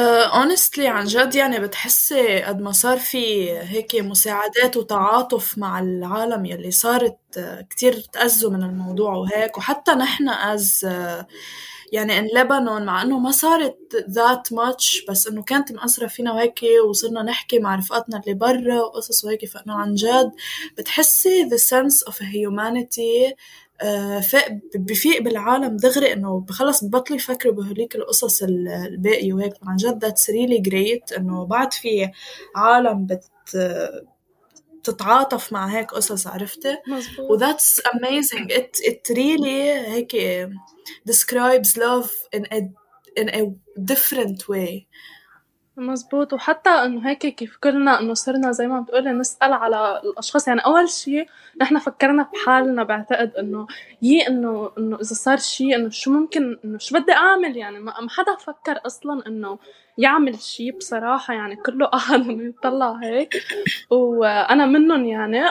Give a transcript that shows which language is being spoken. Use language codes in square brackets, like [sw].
[ar] honestly عن جد يعني بتحسي قد ما صار في هيك مساعدات وتعاطف مع العالم يلي صارت كتير تأذوا من الموضوع وهيك، وحتى نحن از يعني ان لبنان مع انه ما صارت ذات ماتش، بس انه كانت مأثرة فينا وهيك، وصرنا نحكي مع رفقاتنا اللي برا وقصص وهيك، فانه عن جد بتحسي [en] the sense of humanity [ar] بفيق بالعالم دغري، انه بخلص ببطل يفكروا بهوليك القصص الباقي وهيك. عن جد [en] that's really great [ar] انه بعد في عالم بتتعاطف مع هيك قصص، عرفتي؟ مزبوط. [en] That's amazing. It really هيك describes love in a different way. [ar] مزبوط. وحتى انه هيك كيف كلنا انه صرنا زي ما بتقولي نسأل على الاشخاص، يعني اول شيء نحن فكرنا بحالنا، بعتقد انه يي انه اذا صار شيء انه شو ممكن انه شو بدي اعمل، يعني ما حدا فكر اصلا انه يعمل شيء بصراحة، يعني كله قاعد يطلع هيك، وانا منهم يعني.